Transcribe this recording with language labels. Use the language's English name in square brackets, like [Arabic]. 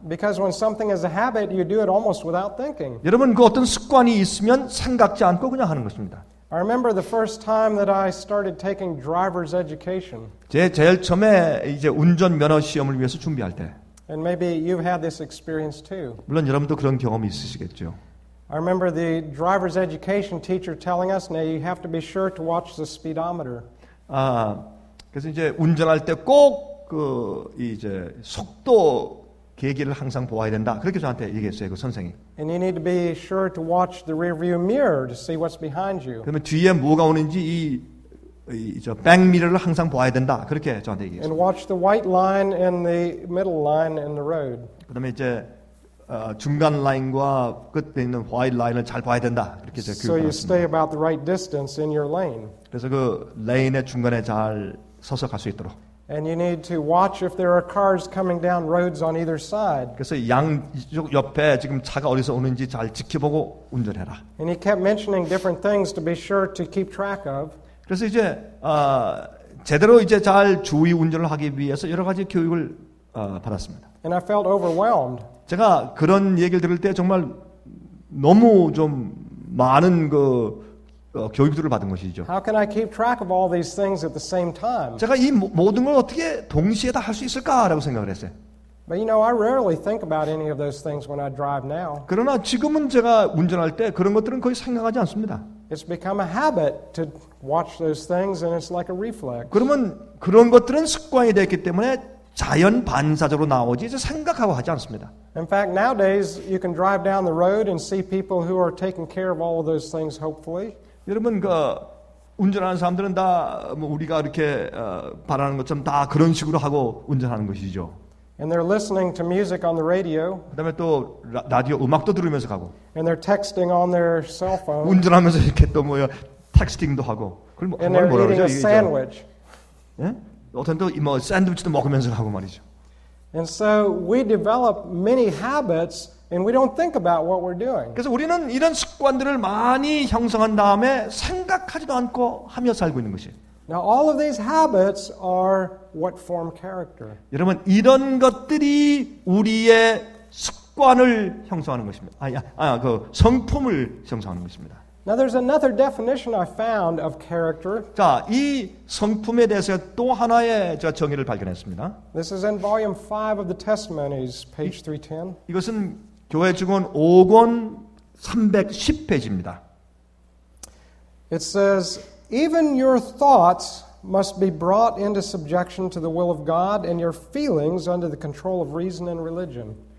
[English] Because when something is a habit, you do it almost without thinking. [Korean] 여러분 그 어떤 습관이 있으면 생각지 않고 그냥 하는 것입니다. [English] I remember the first time that I started taking driver's education. [Korean] 제일 처음에 이제 운전 면허 시험을 위해서 준비할 때. [English] And maybe you've had this experience too. [Korean] 물론 여러분도 그런 경험이 있으시겠죠. [English] I remember the driver's education teacher telling us, "Now you have to be sure to watch the speedometer." [Korean] 그래서 이제 운전할 때 꼭 그 이제 속도 계기를 항상 보아야 된다. 그렇게 저한테 얘기했어요, 그 선생이. [English] And you need to be sure to watch the rearview mirror to see what's behind you. [Korean] 그러면 뒤에 뭐가 오는지 이 이저 백미러를 항상 보아야 된다. 그렇게 저한테 얘기했어요. [English] And watch the white line and the middle line in the road. [Korean] 그다음에 이제 중간 라인과 끝에 있는 화이트 라인을 잘 봐야 된다. 이렇게 제가 교육을 받았습니다. [English] So you stay about the right distance in your lane. [Korean] 그래서 그 레인의 중간에 잘 서서 갈 수 있도록. [English] And you need to watch if there are cars coming down roads on either side. [Korean] 그래서 양쪽 옆에 지금 차가 어디서 오는지 잘 지켜보고 운전해라. [English] And he kept mentioning different things to be sure to keep track of. [Korean] 그래서 이제 제대로 이제 잘 주의 운전을 하기 위해서 여러 가지 교육을 받았습니다. [English] And I felt overwhelmed. [Korean] 제가 그런 얘기를 들을 때 정말 너무 좀 많은 그 교육들을 받은 것이죠. [English] How can I keep track of all these things at the same time? [Korean] 제가 이 모든 걸 어떻게 동시에 다 할 수 있을까라고 생각을 했어요. [English] But you know, I rarely think about any of those things when I drive now. [Korean] 그러나 지금은 제가 운전할 때 그런 것들은 거의 생각하지 않습니다. [English] It's become a habit to watch those things, and it's like a reflex. [Korean] 그러면 그런 것들은 습관이 됐기 때문에 자연 반사적으로 나오지 이제 생각하고 하지 않습니다. [English] In fact, nowadays you can drive down the road and see people who are taking care of all of those things. Hopefully. [Korean] 여러분, 그 운전하는 사람들은 다 뭐 우리가 이렇게 바라는 것처럼 다 그런 식으로 하고 운전하는 것이죠. [English] And they're listening to music on the radio. [Korean] 그다음에 또 라디오 음악도 들으면서 가고. [English] And they're texting on their cell phone. [Korean] 운전하면서 이렇게 또 뭐야 텍스팅도 하고. 그걸 뭐, [English] and they're [Korean] 뭐라 [English] eating [Korean] 그러죠? [English] A sandwich. [Korean] 예? 어떤 또 뭐 샌드위치도 먹으면서 하고 말이죠. [English] And so we develop many habits. And we don't think about what we're doing. [Korean] 그래서 우리는 이런 습관들을 많이 형성한 다음에 생각하지도 않고 하며 살고 있는 것이에요. [English] Now all of these habits are what form character. [Korean] 여러분 이런 것들이 우리의 습관을 형성하는 것입니다. 그 성품을 형성하는 것입니다. [English] Now there's another definition I found of character. [Korean] 자, 이 성품에 대해서 또 하나의 제가 정의를 발견했습니다. [English] This is in volume 5 of the testimonies, page 310. [Korean] 이것은 교회 증언 5권 310페이지입니다. [English] It says even your thoughts must be brought into subjection to the will of God and your feelings under the control of reason and religion.